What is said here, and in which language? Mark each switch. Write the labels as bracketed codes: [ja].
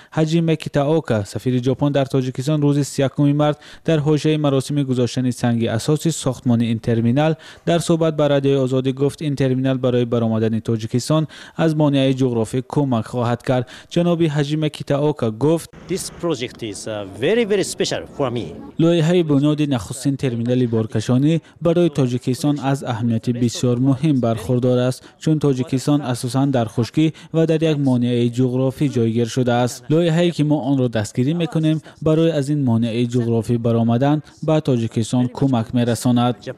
[fa] حاجی میکیتاوکا سفیر ژاپن در تاجیکستان روز 31 مارت در حاشیه مراسم گذاشتن سنگ اساس ساختمان این ترمینال در صحبت به رادیوی آزادی گفت این ترمینال برای برآمدن تاجیکستان از مانعی جغرافی کمک خواهد کرد. جناب حاجی میکیتاوکا گفت [en] This project is very very special for me. [fa] لایحه بنیاد نخستین ترمینال بارکشانی برای تاجیکستان از اهمیت بسیار مهم برخورد است، چون تاجیکستان اساساً در خشکی و در یک مانع جغرافی جایگیر شده است. لایحه‌ای که ما آن را دستگیری میکنیم برای از این مانع جغرافی برآمدن با تاجیکستان کمک میرساند.